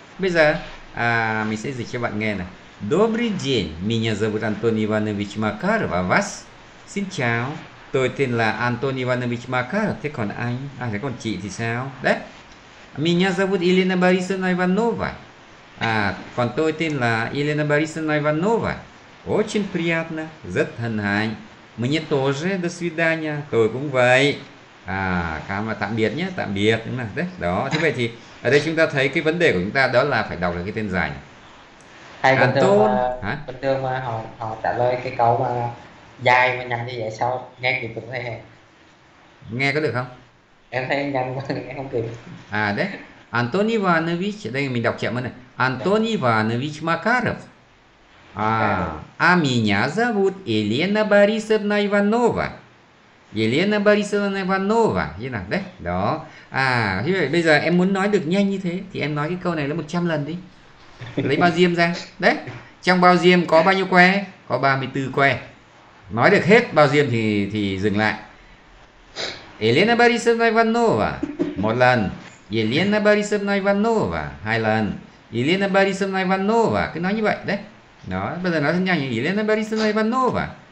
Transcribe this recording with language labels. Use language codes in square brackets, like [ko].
[vi] Bây giờ, mình sẽ dịch cho bạn nghe này. [ru] Добрый день, меня зовут Антон Иванович Макаров, а вас? [vi] Xin chào, tôi tên là Антон Иванович Макаров, thế còn anh? À, thế còn chị thì sao? Đấy. [ru] Меня зовут Елена Борисовна Иванова. [vi] À, còn tôi tên là Елена Борисовна Иванова. [ru] Очень приятно, [vi] rất hân hạnh. [ru] Мне тоже, до свидания, [vi] tôi cũng vậy. À, cảm ơn, tạm biệt nhé, tạm biệt. Đúng rồi, đấy, đó, thế vậy thì... Ở đây chúng ta thấy cái vấn đề của chúng ta đó là phải đọc được cái tên dài. Thầy bình thường, họ, họ trả lời cái câu mà dài mà nhanh như vậy sao nghe kịp được thầy. Nghe có được không? Em thấy nhanh quá, nghe không kịp. À đấy, Anton Ivanovich, đây mình đọc chậm hơn này. [ru] Anton Ivanovich Makarov. À, à меня зовут Елена Борисовна Иванова. Елена Борисовна Иванова. [vi] Như nào đấy, đó. À, bây giờ em muốn nói được nhanh như thế thì em nói cái câu này là 100 lần đi. Lấy bao diêm ra. Đấy. Trong bao diêm có bao nhiêu que? Có 34 que. Nói được hết bao diêm thì dừng lại. [ru] Елена Борисовна Иванова. [vi] Một lần. [ru] Елена Борисовна Иванова. [vi] Hai lần. Елена Борисовна Иванова. Cứ nói như vậy đấy. Đó, bây giờ nói thật nhanh. Елена Борисовна Иванова.